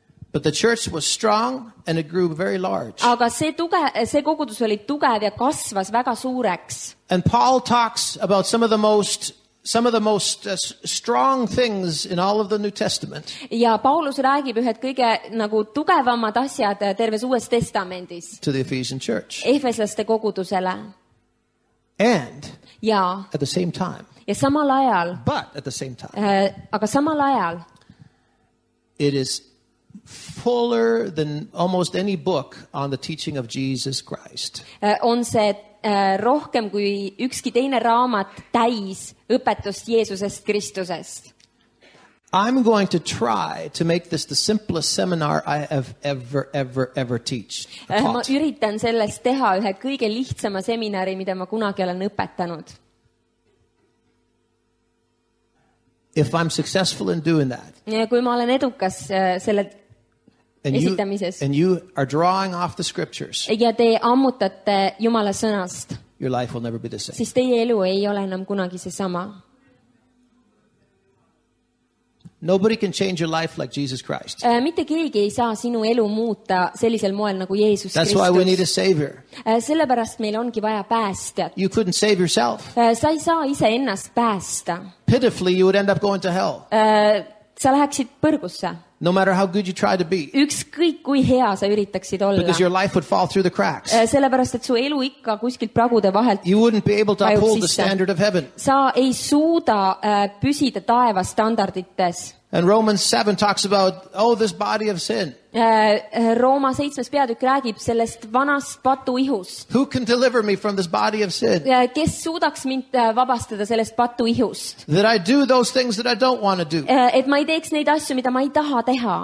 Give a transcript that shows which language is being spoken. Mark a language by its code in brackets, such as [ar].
[en] But the church was strong and it grew very large. [et] Aga see kogudus oli tugev ja kasvas väga suureks. [en] And Paul talks about some of the most strong things in all of the New Testament. [et] Ja Paulus räägib ühed kõige nagu tugevamad asjad terves Uues Testamendis. [en] To the Ephesian church. [et] Efesaste kogudusele. [en] And [et] ja [en] at the same time. [et] Ja samal ajal. [en] But at the same time. [et] Aga samal ajal. [en] It is fuller than almost any book on the teaching of Jesus Christ. [et] On see rohkem kui ükski teine raamat täis õpetust Jeesusest Kristusest. [en] I'm going to try to make this the simplest seminar I have ever teach. [et] Ma üritan sellest teha ühe kõige lihtsama seminari, mida ma kunagi olen õpetanud. [en] If I'm successful in doing that. [et] Ja kui ma olen edukas selle esitamises. [en] And you are drawing off the scriptures. [et] Ja te ammutate Jumala sõnast. [en] Your life will never be the same. [et] Siis teie elu ei ole enam kunagi see sama. [en] Nobody can change your life like Jesus Christ. [et] Mitte keegi ei saa sinu elu muuta sellisel moel nagu Jeesus Kristus. [en] That's why we need a savior. [et] Sellepärast meil ongi vaja päästjat. [en] You couldn't save yourself. [et] Sa ei saa ise ennast päästa. [en] Pitifully you would end up going to hell. [et] Sa läheksid põrgusse. [en] No matter how good you try to be. [et] Ükskõik kui hea sa üritaksid olla. [en] Because your life would fall through the cracks. [et] Sellepärast, et su elu ikka kuskilt pragude vahelt. [en] You wouldn't be able to uphold the standard of heaven. [et] Sa ei suuda püsida taeva standardites. [en] And Romans 7 talks about this body of sin. [et] Rooma 7. Peatükk räägib sellest vanast patuihust. [en] Who can deliver me from this body of sin? [et] Kes suudaks mind vabastada sellest patuihust? [en] That I do those things that I don't want to do. [et] Et ma ei teeks neid asju, mida ma ei taha teha.